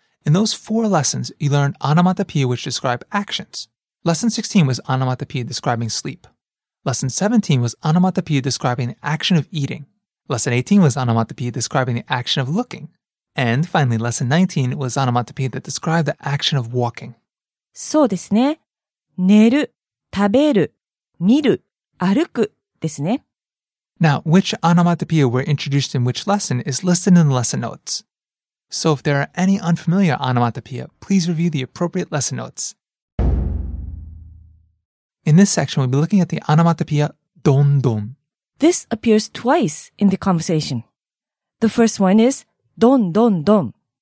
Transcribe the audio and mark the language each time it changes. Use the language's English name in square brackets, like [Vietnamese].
[English] In those four lessons, you learn onomatopoeia which describe actions. Lesson 16 was onomatopoeia describing sleep. Lesson 17 was onomatopoeia describing the action of eating. Lesson 18 was onomatopoeia describing the action of looking. And finally, lesson 19 was onomatopoeia that described the action of walking. [Japanese] そうですね。寝る、食べる、見る、歩くですね。 [English] Now, which onomatopoeia were introduced in which lesson is listed in the lesson notes. So if there are any unfamiliar onomatopoeia, please review the appropriate lesson notes. In this section, we'll be looking at the onomatopoeia don don. This appears twice in the conversation. The first one is don don don.